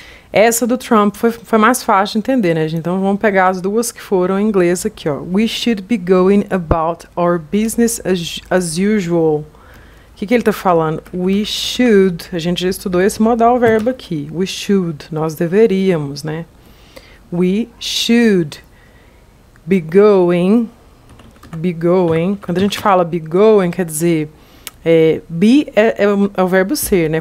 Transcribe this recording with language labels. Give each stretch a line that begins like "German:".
Portuguese: Essa do Trump foi mais fácil de entender, né, gente? Então vamos pegar as duas que foram em inglês aqui, ó.
English: We should be going about our business as usual.
Portuguese: O que que ele está falando?
English: We should.
Portuguese: A gente já estudou esse modal verbo aqui.
English: We should.
Portuguese: Nós deveríamos, né?
English: We should be going. Be going.
Portuguese: Quando a gente fala be going, quer dizer, be é o verbo ser, né?